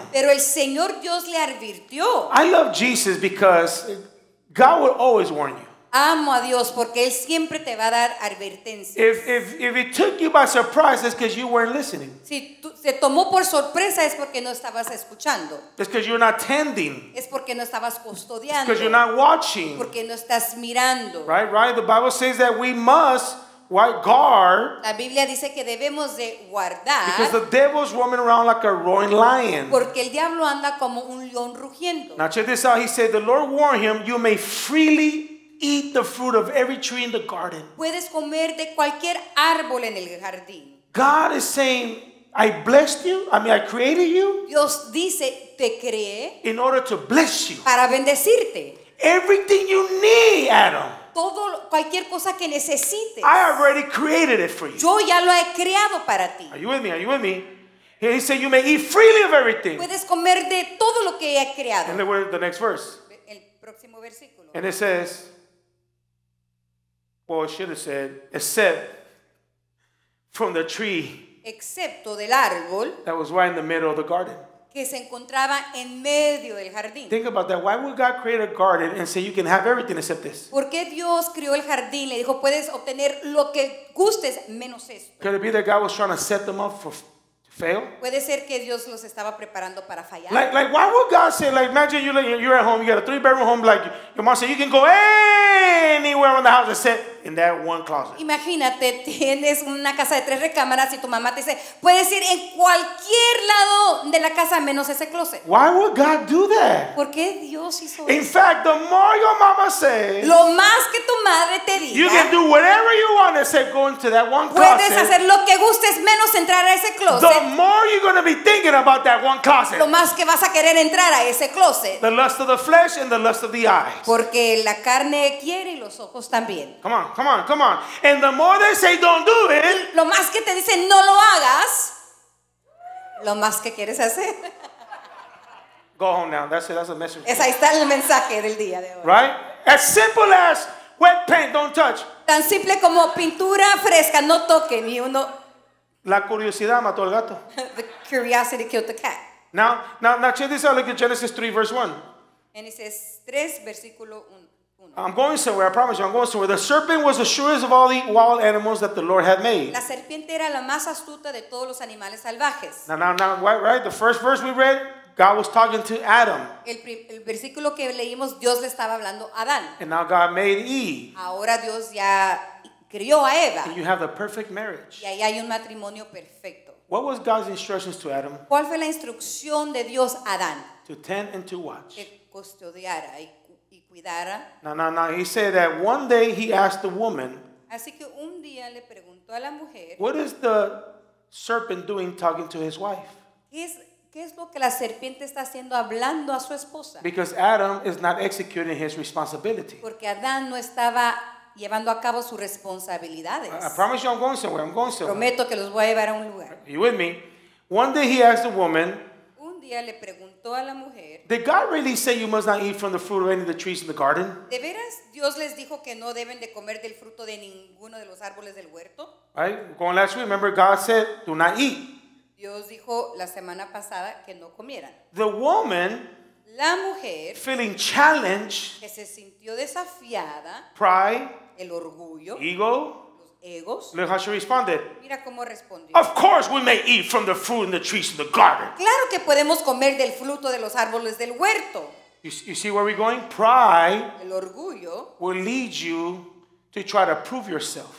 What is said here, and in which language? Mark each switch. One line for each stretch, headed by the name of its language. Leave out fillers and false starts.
Spanish: Pero el Señor Dios le advirtió.
English: I love Jesus because God will always warn you.
Spanish: Amo a Dios porque él siempre te va a dar advertencias.
English: If it took you by surprise, it's because you weren't listening.
Spanish: Si se tomó por sorpresa es porque no estabas escuchando.
English: It's because you're not tending.
Spanish: Es porque no estabas custodiando.
English: Because you're not watching.
Spanish: Porque no estás mirando.
English: Right. The Bible says that we must guard.
Spanish: La Biblia dice que debemos de guardar.
English: Because the devil's roaming around like a roaring lion.
Spanish: Porque el diablo anda como un león rugiendo.
English: Now check this out. He said, "The Lord warned him, you may freely eat the fruit of every tree in the garden."
Spanish: Puedes comer de cualquier árbol en el jardín.
English: God is saying, "I blessed you. I mean, I created you."
Spanish: Dios dice, te creé.
English: In order to bless you.
Spanish: Para bendecirte.
English: Everything you need, Adam.
Spanish: Todo, cualquier cosa que necesites.
English: I already created it for you.
Spanish: Yo ya lo he creado para ti.
English: Are you with me? Are you with me? He said, "You may eat freely of everything."
Spanish: Puedes comer de todo lo que he creado.
English: And then the next verse.
Spanish: El próximo versículo.
English: And it says, well, it should have said, except from the tree,
Spanish: excepto del árbol,
English: that was right in the middle of the garden,
Spanish: que se encontraba en medio del jardín.
English: Think about that. Why would God create a garden and say you can have everything except this?
Spanish: ¿Por qué Dios creó el jardín? Le dijo, puedes obtener lo que gustes menos esto.
English: Could it be that God was trying to set them up for fail?
Spanish: Puede ser que Dios los estaba preparando para fallar.
English: Like why would God say, like, imagine you're at home, you got a 3-bedroom home, like your mom said, you can go anywhere around the house except in that one closet.
Spanish: Imagínate, tienes una casa de 3 recámaras y tu mamá te dice, puedes ir en cualquier lado de la casa menos ese closet.
English: Why would God do that?
Spanish: ¿Por qué Dios hizo eso?
English: In fact, the more your mama says,
Spanish: lo más que tu madre te diga,
English: you can do whatever you want except go into that one
Spanish: puedes
English: closet.
Spanish: Puedes hacer lo que gustes menos entrar a ese closet.
English: The more you're going to be thinking about that one closet.
Spanish: Lo más que vas a querer entrar a ese closet.
English: The lust of the flesh and the lust of the eyes.
Spanish: Porque la carne quiere y los ojos también.
English: Come on. And the more they say don't do it,
Spanish: lo más que te dicen no lo hagas, Lo más que quieres hacer.
English: Go home now. That's it. That's the message.
Spanish: Es ahí está el mensaje del día de hoy.
English: Right? As simple as wet paint, don't touch.
Spanish: Tan simple como pintura fresca, no toque ni uno. La curiosidad mató al gato.
English: The curiosity killed the cat. Now check this out. Look at Genesis 3, verse 1.
Spanish: Genesis 3, versículo 1.
English: I'm going somewhere. I promise you, I'm going somewhere. The serpent was the shrewdest of all the wild animals that the Lord had made.
Spanish: La serpiente era la más astuta de todos los animales salvajes.
English: Now, right? The first verse we read, God was talking to Adam.
Spanish: El versículo que leímos, Dios le estaba hablando a Adán.
English: And now God made Eve.
Spanish: Ahora Dios ya crió a Eva.
English: And you have the perfect marriage.
Spanish: Y ahí hay un matrimonio perfecto.
English: What was God's instructions to Adam?
Spanish: ¿Cuál fue la instrucción de Dios a Adán?
English: To tend and to watch.
Spanish: Que custodiara y cuidara.
English: No. He said that one day he asked the woman.
Spanish: Así que un día le preguntó a la mujer.
English: What is the serpent doing talking to his wife?
Spanish: ¿Qué es lo que la serpiente está haciendo hablando a su esposa?
English: Because Adam is not executing his responsibility.
Spanish: Porque Adán no estaba llevando a cabo sus responsabilidades.
English: I promise you, I'm going somewhere. I'm going somewhere.
Spanish: Prometo que los voy a llevar a un lugar.
English: Are you with me? One day he asked the woman.
Spanish: Un día le preguntó a la mujer.
English: Did God really say you must not eat from the fruit of any of the trees in the garden?
Spanish: ¿De veras Dios les dijo que no deben de comer del fruto de ninguno de los árboles del huerto?
English: Right? Going last week, remember God said, do not eat.
Spanish: Dios dijo la semana pasada que no comieran.
English: The woman,
Spanish: la mujer,
English: feeling challenged,
Spanish: que se sintió desafiada,
English: pride,
Spanish: el orgullo,
English: ego,
Spanish: los egos.
English: Look how she responded.
Spanish: Mira cómo respondió.
English: Of course we may eat from the fruit and the trees in the garden.
Spanish: Claro que podemos comer del fruto de los árboles del huerto.
English: You see where we're going? Pride,
Spanish: el orgullo,
English: will lead you to try to prove yourself.